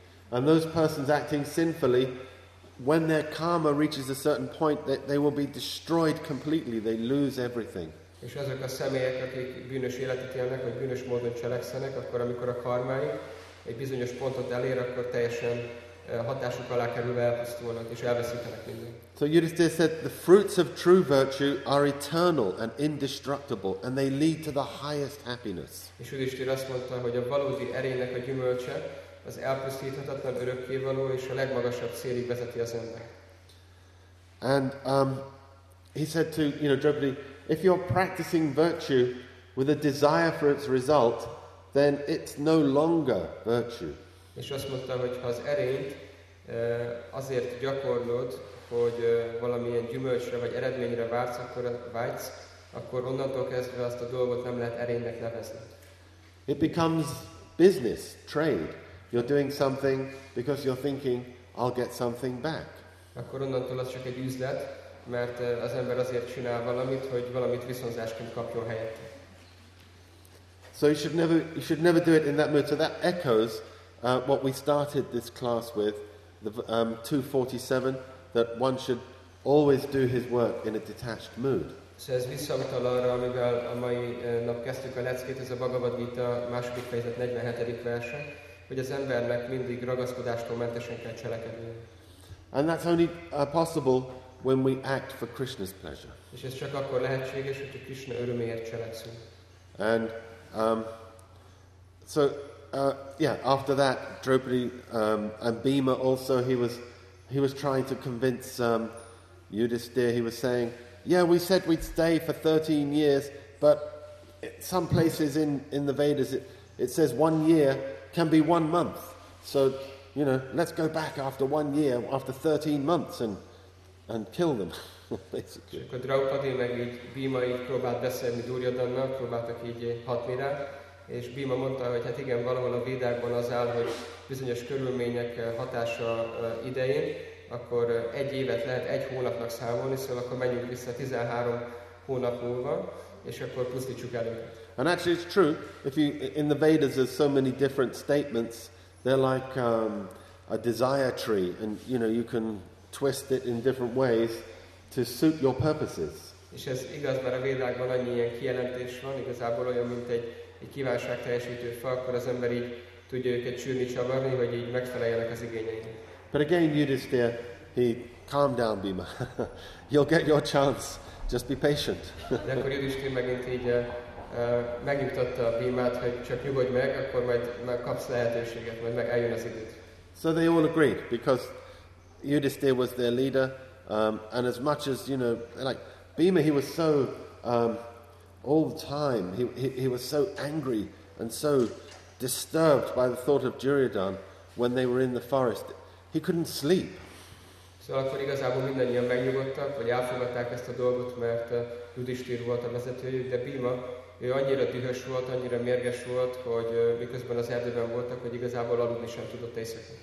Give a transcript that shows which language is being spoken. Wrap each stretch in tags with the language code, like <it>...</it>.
<en>And those persons acting sinfully, when their karma reaches a certain point, they will be destroyed completely. They lose everything.</en> <hu>És azok a személyek, akik bűnös életet élnek, vagy bűnös módon cselekszenek, akkor amikor a karmájuk egy bizonyos pontot elér, akkor teljesen hatásuk alá kerülve elpusztulnak, és elveszítenek mindent.</hu> <en>So Yudhisthira said, the fruits of true virtue are eternal and indestructible, and they lead to the highest happiness.</en> <hu>És Yudhisthira azt mondta, hogy a valódi erénynek a gyümölcse az elpusztíthatatlan, örökkévaló és a legmagasabb célig vezeti az ember.</hu> <en>And he said to, you know, Draupadi, if you're practicing virtue with a desire for its result, then it's no longer virtue.</en> <hu>És azt mondta, hogy ha az erényt azért gyakorlod, hogy valamilyen gyümölcsre vagy eredményre vársz, akkor onnantól kezdve azt a dolgot nem lehet erénynek nevezni.</hu> <en>It becomes business, trade. You're doing something because you're thinking, I'll get something back.</en> <hu>Akkor onnantól az csak egy üzlet, mert az ember azért csinál valamit, hogy valamit viszonzásként kapjon helyette.</hu> <en>So you should never do it in that mood. So that echoes what we started this class with, the 247, that one should always do his work in a detached mood.</en> <hu>So ez visszautal arra, amivel a mai nap kezdtük a leckét, ez a Bhagavad Gita második fejezet 47. verse, hogy az embernek mindig ragaszkodástól mentesen kell cselekedni.</hu> <en>And that's only possible when we act for Krishna's pleasure.</en> <hu>És ez csak akkor lehetséges, hogyha Krishna öröméért cselekszünk.</hu> <en>And after that, Draupadi and Bhima also, he was trying to convince Yudhisthira. He was saying, yeah, we said we'd stay for 13 years, but some places in the Vedas, it says 1 year can be 1 month. So, you know, let's go back after 1 year, after 13 months, and kill them.</en> <hu>És akkor Draupadi meg így Bhima így próbált beszélni Duryodhannal, próbáltak így hatni rá, és Bhima mondta, hogy hát igen, valahol a Védákban az áll, hogy bizonyos körülmények hatása idején, akkor egy évet lehet egy hónapnak számolni, szóval akkor menjünk vissza 13 hónap múlva, és akkor pusztítsuk el őket.</hu> <en>And actually it's true, if you, in the Vedas there's so many different statements, they're like a desire tree, and you know, you can twist it in different ways to suit your purposes.</en> <hu>És ez igaz, mert a Védákban annyi ilyen kijelentés van, igazából olyan, mint egy kívánság teljesítő fa, akkor az ember így tudja őket csűrni, csavarni, hogy így megfeleljenek az igényeinek.</hu> <en>But again, Yudhisthira, he calm down, Bhima. You'll get your chance. Just be patient.</en> <hu>De akkor Yudhisthira megint így megnyugtatta a Bhimát, hogy csak nyugodj meg, akkor majd kapsz lehetőséget, majd meg eljön az időt.</hu> <en>So they all agreed, because Yudhisthira was their leader. And as much as, you know, like Bhima, he was so all the time, he was so angry and so disturbed by the thought of Duryodhana when they were in the forest, he couldn't sleep.</en> <hu>So akkor igazából mindannyian megnyugodtak, vagy elfogadták ezt a dolgot, mert Yudhisthira volt a vezetőjük, de Bhima, ő annyira dühös volt, annyira mérges volt, hogy miközben az erdőben voltak, hogy igazából aludni sem tudott éjszaka.</hu>